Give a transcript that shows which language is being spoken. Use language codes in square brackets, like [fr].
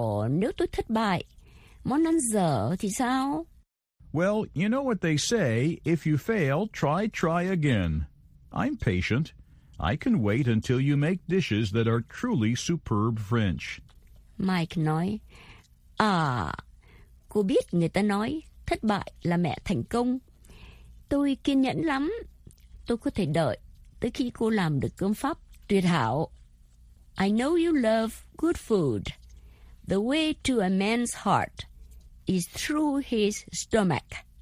[vi] Nếu tôi thất bại, món ăn dở thì sao? [en] Well, you know what they say, if you fail, try again. I'm patient. I can wait until you make dishes that are truly superb French. [vi] Mike nói, à, cô biết người ta nói, thất bại là mẹ thành công. Tôi kiên nhẫn lắm. Tôi có thể đợi tới khi cô làm được cơm Pháp tuyệt hảo. [en] I know you love good food. The way to a man's heart is through his stomach.